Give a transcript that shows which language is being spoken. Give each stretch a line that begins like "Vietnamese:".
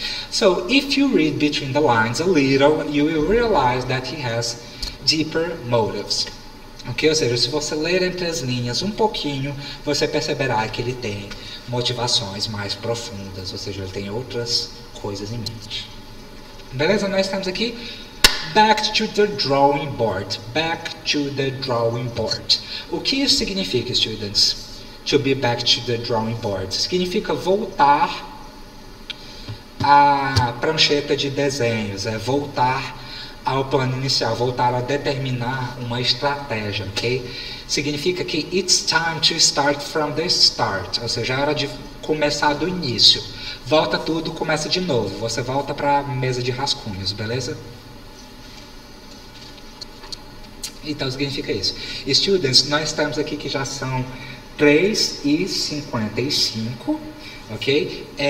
English: So, if you read between the lines a little, you will realize that he has deeper motives. Ok?
Portuguese: Ou seja, se você ler entre as linhas um pouquinho, você perceberá que ele tem motivações mais profundas, ou seja, ele tem outras coisas em mente. Beleza? Nós estamos aqui.
English: Back to the drawing board. Back to the drawing board.
Portuguese: O que isso significa,
English: students? To be back to the drawing board.
Portuguese: Significa voltar à prancheta de desenhos. É voltar ao plano inicial. Voltar a determinar uma estratégia, ok? Significa que
English: it's time to start from the start.
Portuguese: Ou seja, é hora de começar do início. Volta tudo, começa de novo. Você volta para a mesa de rascunhos, beleza? Então, significa isso. Students, nós estamos aqui que já são 3h55, ok?